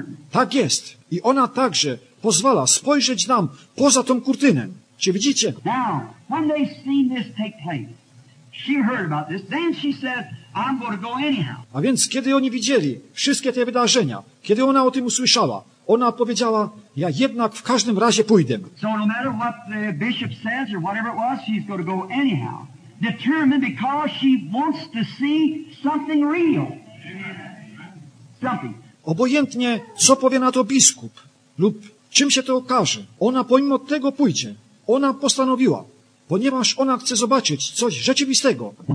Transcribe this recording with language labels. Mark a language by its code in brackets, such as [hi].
[pl] Tak jest. I ona także pozwala spojrzeć nam poza tą kurtynę. Czy widzicie? [en] Now, when they seen this take place, she heard about this. Then she said, I'm going to go anyhow. [pl] A więc kiedy oni widzieli wszystkie te wydarzenia, kiedy ona o tym usłyszała, ona powiedziała, ja jednak w każdym razie pójdę. [en] So no matter what the bishop says or whatever it was, she's going to go anyhow. Determined because she wants to see something real. Something. [pl] Obojętnie, co powie na to biskup lub czym się to okaże, ona pomimo tego pójdzie. Ona postanowiła, ponieważ ona chce zobaczyć coś rzeczywistego.